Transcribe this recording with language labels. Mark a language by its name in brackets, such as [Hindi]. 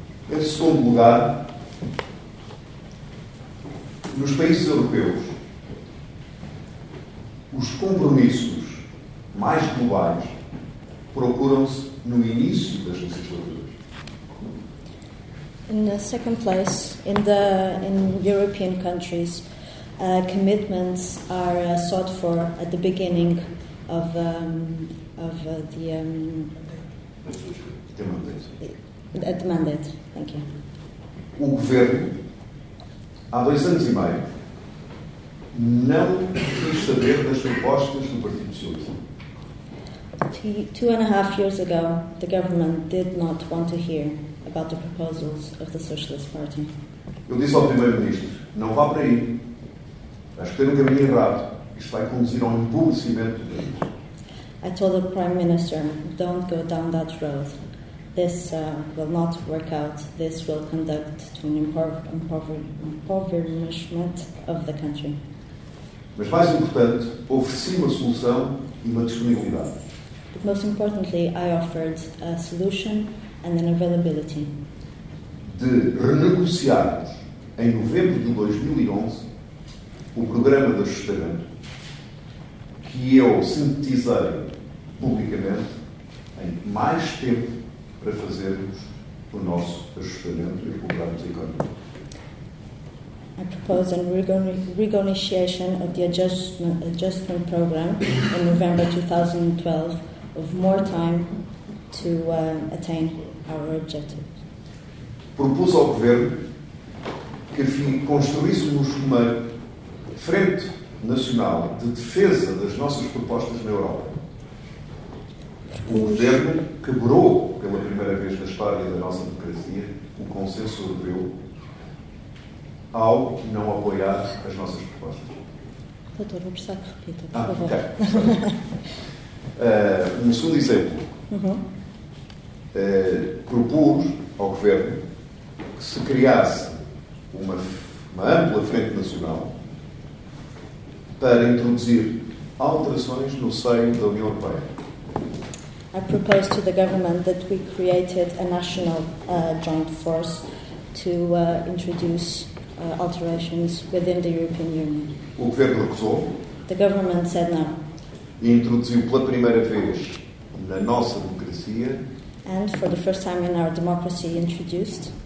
[Portuguese] Em segundo lugar, nos países europeus, os compromissos mais globais procuram-se no início das legislaturas. [English] In the second place, in European countries, commitments are sought for at the beginning of the mandate. Thank you. [Portuguese] O governo, há dois anos e meio, não quis saber das propostas do Partido Socialista. [English] Two and a half years ago, the government did not want to hear about the proposals of the Socialist Party. [Portuguese] Eu disse ao primeiro-ministro, não vá para aí. Acho que tem um caminho errado. Isto vai conduzir ao empobrecimento do país. [English] I told the Prime Minister, don't go down that road. This will not work out. This will conduct to an impoverishment of the country. [Portuguese] Mas mais importante, ofereci uma solução e uma disponibilidade. [English] But most importantly, I offered a solution and an availability. [Portuguese] De renegociarmos em novembro de 2011 o programa de ajustamento que eu sintetizei publicamente em mais tempo para fazermos o nosso ajustamento e recuperarmos a economia. [English] I propose a renegotiation of the adjustment program in November 2012 of more time to attain our objective. [Portuguese] Propus ao governo que construíssemos uma frente nacional de defesa das nossas propostas na Europa. O governo quebrou pela primeira vez na história da nossa democracia o consenso europeu ao não apoiar as nossas propostas. Doutor, vou precisar que repita, por favor. Okay. Um segundo exemplo. Propus ao governo que se criasse uma ampla frente nacional para introduzir alterações no seio da União Europeia. [English] I proposed to the government that we created a national joint force to introduce alterations within the European Union. [Portuguese] O governo recusou. [English] The government said no. [Portuguese] E introduziu pela primeira vez na nossa democracia. [English] And for the first time in our democracy introduced.